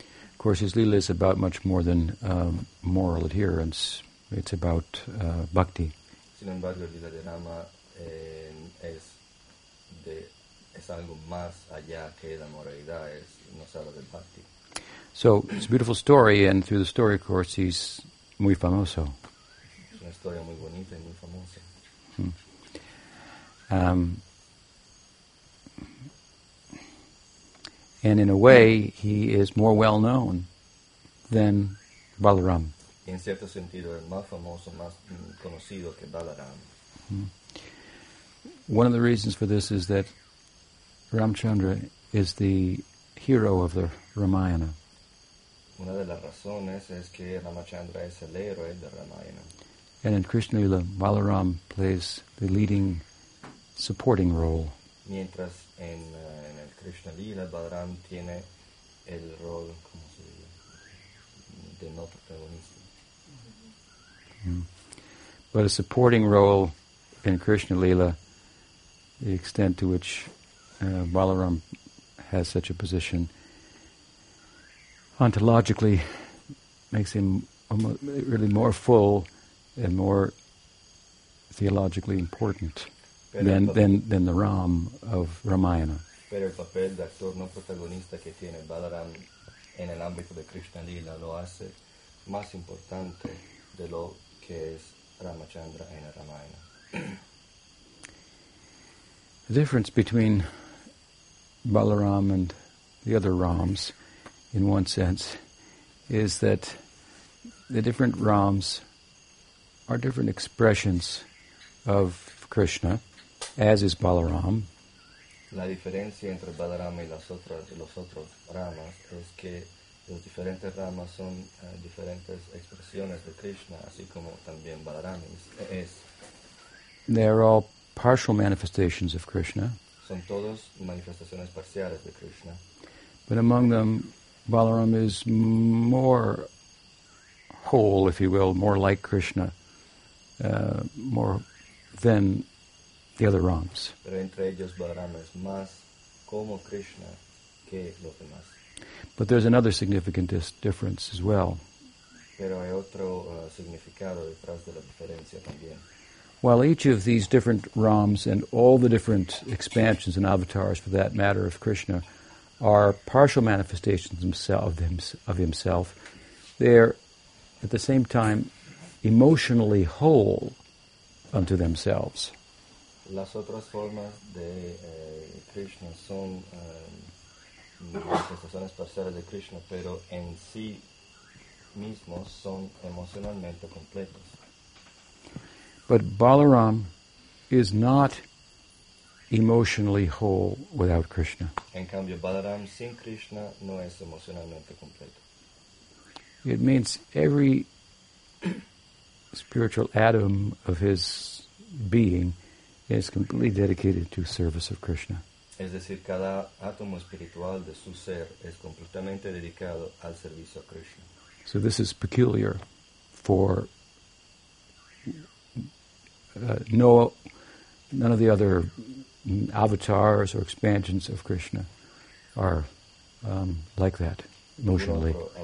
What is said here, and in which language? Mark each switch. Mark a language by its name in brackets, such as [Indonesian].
[English] Of course, his lila is about much more than moral adherence. It's about bhakti. [Spanish] Sin embargo, el lila de Rama es algo más allá que la moralidad. Es nos habla del bhakti. [English] So, it's a beautiful story, and through the story, of course, he's [Spanish] muy famoso. Es una historia muy bonita y muy famosa. [English] And in a way, he is more well-known than Balaram. [Spanish] En cierto sentido, es más famoso, más conocido que Balaram. [English] One of the reasons for this is that Ramchandra is the hero of the Ramayana. [Spanish] Una de las razones es que Ramachandra es el héroe de Ramayana. [English] And in Krishna Lila, Balaram plays the leading supporting role. [Spanish] Mientras en el Krishna Lila, Balaram tiene el rol, ¿cómo se dice? De no protagonista. [English] But a supporting role in Krishna Lila, the extent to which Balaram has such a position, ontologically makes him really more full and more theologically important. than the Ram of Ramayana. [Spanish] Pero el papel de actor no protagonista que tiene Balaram en el ámbito de Krishna Lila lo hace más importante de lo que es Ramachandra en el Ramayana. [English] The difference between Balaram and the other Rams, in one sense, is that the different Rams are different expressions of Krishna, as is Balaram. [Spanish] La diferencia entre Balaram y las otras, los otros Ramas es que los diferentes Ramas son diferentes expresiones de Krishna, así como también Balaram es. [English] They are all partial manifestations of Krishna. [Spanish] Son todos manifestaciones parciales de Krishna. [English] But among them, Balaram is more whole, if you will, more like Krishna, more than the other Rams. [Spanish] Pero entre ellos, Balaram es más como Krishna que los demás. [English] But there's another significant difference as well. [Spanish] Pero hay otro significado detrás de la diferencia también. [English] While each of these different Rams and all the different expansions and avatars, for that matter, of Krishna, are partial manifestations of himself, they're at the same time emotionally whole unto themselves. [Spanish] Las otras formas de Krishna son manifestaciones parciales de Krishna, pero en sí mismos son emocionalmente completos. [English] But Balaram is not emotionally whole without Krishna. [Spanish] En cambio, Balaram sin Krishna no es emocionalmente completo. [English] It means every spiritual atom of his being is completely dedicated to service of Krishna. [Spanish] Es decir, cada átomo espiritual de su ser es completamente dedicado al servicio a Krishna. [English] So this is peculiar for none of the other avatars or expansions of Krishna are like that emotionally.